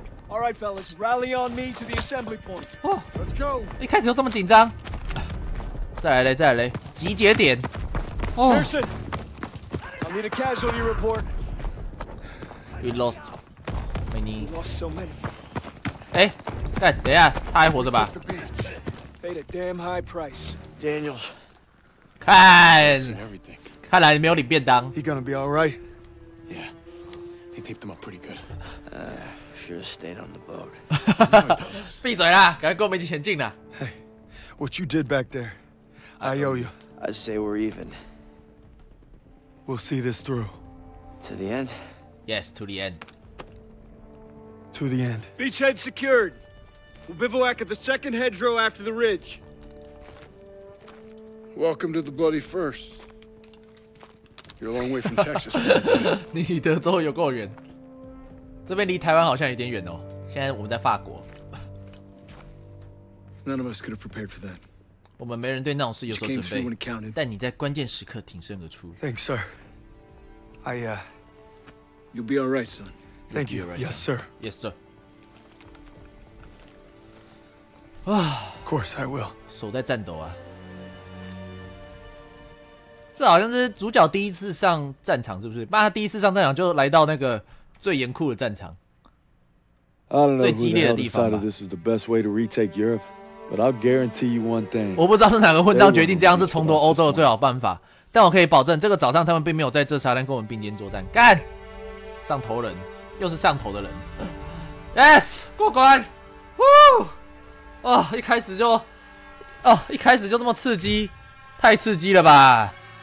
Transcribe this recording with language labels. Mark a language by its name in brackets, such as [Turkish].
[English] All right, fellas, rally on me to the assembly point. Let's go. [Chinese] 一开始就这么紧张，再来嘞，再来嘞，集结点。 [English] Pearson, I need a casualty report. We lost many. We lost so many. [Chinese] 哎，干，等一下，他还活着吧 [English] ？Paid a damn high price, Daniels. [Chinese] 看，看来你没有领便当。 [English] He gonna be all right? Yeah, he taped them up pretty good. Should have stayed on the boat. [Chinese] 闭嘴啦！赶快跟我们一起前进啦 [English] ！Hey, what you did back there, I owe you. I say we're even. We'll see this through. To the end. Yes, to the end. To the end. Beachhead secured. We'll bivouac at the second hedgerow after the ridge. Welcome to the bloody first. You're a long way from Texas. [Chinese] 你离德州有够远。这边离台湾好像有点远哦。现在我们在法国。 [English] None of us could have prepared for that. [Chinese] 我们没人对那种事有所准备。但你在关键时刻挺身而出。 [English] Thanks, sir. You'll be all right, son. Thank you. Yes, sir. Yes, sir. Of course, I will. [Chinese] 手在颤抖啊。这好像是主角第一次上战场，是不是？妈，他第一次上战场就来到那个。最严酷的战场，最激烈的地方吧。 [English] This was the best way to retake Europe, but I'll guarantee you one thing. [Chinese] 我不知道是哪个混账决定这样是重夺欧洲的最好办法，但我可以保证，这个早上他们并没有在这沙滩跟我们并肩作战。干，上头人，又是上头的人。 Yes， 过关。 Woo， 哦，一开始就，哦，一开始就这么刺激，太刺激了吧。